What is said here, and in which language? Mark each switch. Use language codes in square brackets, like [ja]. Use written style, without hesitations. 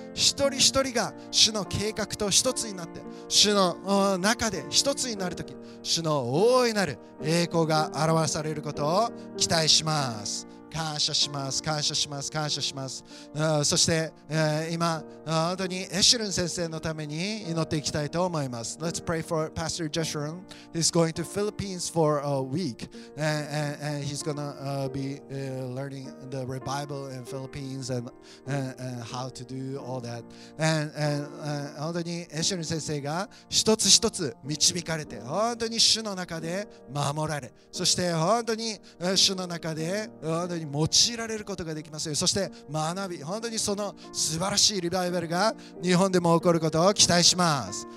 [ja] 一人一人が主の計画と一つになって、主の中で一つになるとき、主の大いなる栄光が表されることを期待します。感謝します、感謝します、感謝します。そして今本当にエシュルン先生のために祈っていきたいと思います。 [en] Let's pray for Pastor Jeshurun. He's going to Philippines for a week and he's gonna be learning the revival in Philippines and how to do all that. [ja] And 本当にエシュルン先生が一つ一つ導かれて、本当に主の中で守られ、そして本当に主の中で本当に当に用いられることができますように、そして学び、本当にその素晴らしいリバイバルが日本でも起こることを期待します。